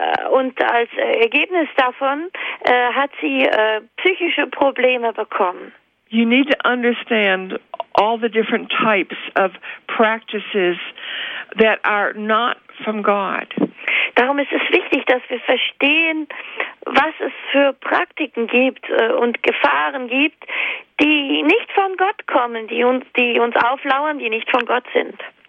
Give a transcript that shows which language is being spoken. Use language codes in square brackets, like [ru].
[de] Und als Ergebnis davon hat sie psychische Probleme bekommen. [en] You need to understand all the different types of practices that are not from God. [de] Darum ist es wichtig, dass wir verstehen, was es für Praktiken gibt und Gefahren gibt, die nicht von Gott kommen, die uns auflauern, die nicht von Gott sind.